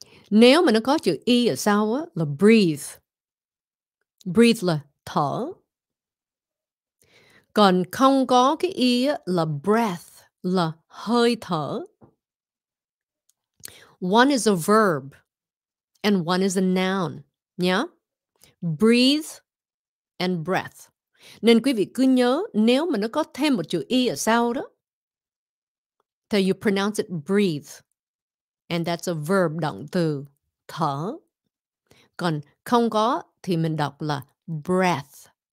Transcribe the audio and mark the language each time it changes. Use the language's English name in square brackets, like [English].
[Vietnamese] Nếu mà nó có chữ y ở sau á, là breathe. Breathe là thở. Còn không có cái y á, là breath, là hơi thở. [English] One is a verb and one is a noun. Yeah? Breathe and breath. [Vietnamese] Nên quý vị cứ nhớ, nếu mà nó có thêm một chữ y ở sau đó, thì [English] you pronounce it breathe. And that's a verb [Vietnamese] động từ, thở. Còn không có thì mình đọc là breath.